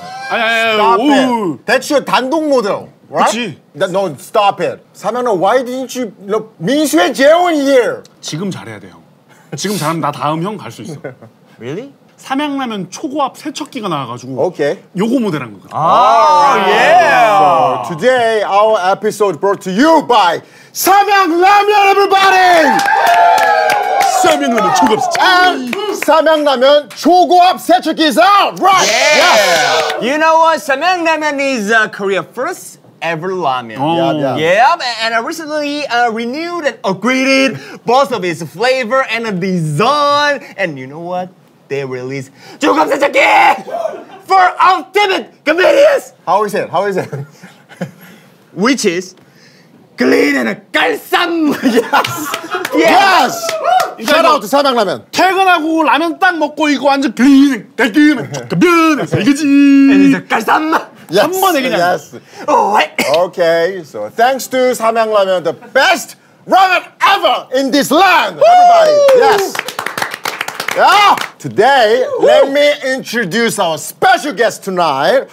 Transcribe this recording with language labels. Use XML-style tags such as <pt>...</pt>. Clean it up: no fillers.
<ko>아니.</ko> <en>That's your</en> <ko>단독 모델.</ko> <en>Right? No, stop it. 삼양라면, why didn't you look</en> <ko>민수의 재영</ko> <en>here?</en> <ko>지금 잘해야 돼, 형. 지금 잘하면 나 다음 형 갈 수 있어.</ko> <en>Really?</en> <ko>삼양라면 초고압 세척기가 나와가지고</ko> <en>okay.</en> <ko>요거 모델한 거 같아. 예!</ko> <en>So today our episode brought to you by 삼양라면 everybody!</en> <ko>삼양라면 초고압 세척기!</ko> <en>삼양라면</en> <ko>초고압 세척기</ko> <en>is out! Right! Yeah. Yeah. You know what? 삼양라면 is Korea first ever ramen. Oh. Yeah, yeah. And I recently renewed and upgraded both of its flavor and design. And you know what? They release 조금 세척기 for ultimate convenience. How is it? Which is clean and 깔쌈. Yes. Shout out to 삼양라면.</en> <ko>퇴근하고 라면 딱 먹고 이거 완전 clean, 깔끔, 깔끔해서 이거지.</ko> <en>And it's 깔쌈. Yes.</en> <ko>한 번에 그냥.</ko> <en>Yes. Alright. Okay. So thanks to 삼양라면, the best ramen ever in this land. Everybody. Yes. Yeah. Today, let me introduce our special guest tonight.</en>